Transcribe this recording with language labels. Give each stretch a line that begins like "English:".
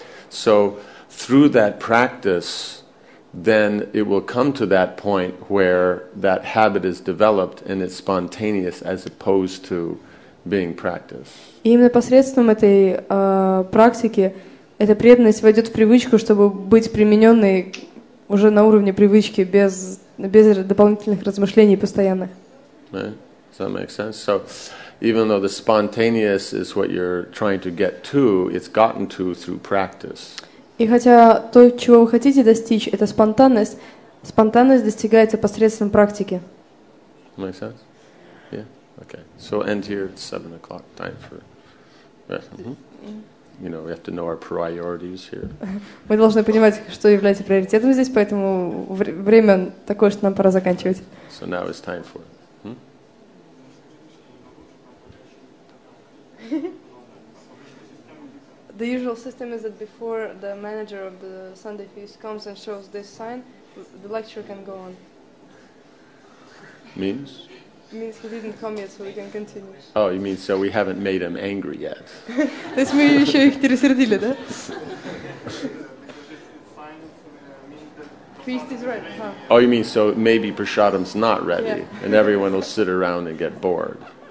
English: So through that practice, then it will come to that point where that habit is developed and it's spontaneous as opposed to being practiced.
Russian: И именно посредством этой практики эта преданность войдет в привычку, чтобы быть примененной уже на уровне привычки без дополнительных размышлений постоянных.
English: Right. Does that make sense? So, even though the spontaneous is what you're trying to get to, it's gotten to through practice.
Russian: И хотя то, чего вы хотите достичь, это спонтанность, спонтанность достигается посредством практики.
English: Make sense? Yeah. Okay. So end here at 7 o'clock time for. You know, we have to know our priorities here.
Russian: Мы должны понимать, что является приоритетом здесь, поэтому время такое, что нам пора заканчивать.
English: So now it's time for. The usual system is that before the manager of the Sunday feast comes and shows this sign, the lecture can go on. Means? Means he didn't come yet, so we can continue. Oh, you mean so we haven't made him angry yet?
Russian: This мы еще их пересердили, да?
English: Feast is ready, huh? Oh, you mean so maybe Prashadam's not ready, yeah. And everyone will sit around and get bored.